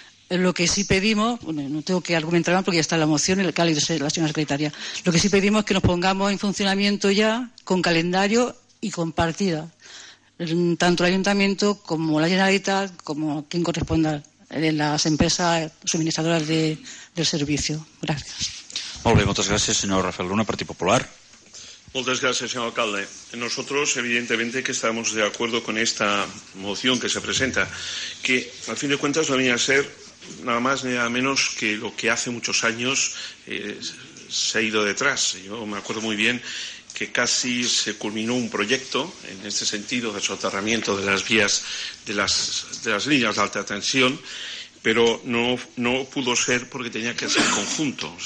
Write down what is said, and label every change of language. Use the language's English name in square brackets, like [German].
[Spanish] Lo que sí pedimos, bueno, no tengo que argumentar más porque ya está la moción, el cálido es la señora secretaria, lo que sí pedimos es que nos pongamos en funcionamiento ya con calendario y con partida, tanto el ayuntamiento como la Generalitat, como quien corresponda en las empresas suministradoras del servicio. Gracias. [Catalan] Molt bé, moltes gràcies, senyor Rafael Luna, Partit Popular. Moltes gràcies, senyor alcalde. [Spanish] Nosotros, evidentemente, que estamos de acuerdo con esta moción que se presenta, que, al fin de cuentas, no viene a ser nada más ni nada menos que lo que hace muchos años se ha ido detrás. Yo me acuerdo muy bien que casi se culminó un proyecto en este sentido de soterramiento de las vías, de las líneas de alta tensión, pero no pudo ser porque tenía que ser conjunto.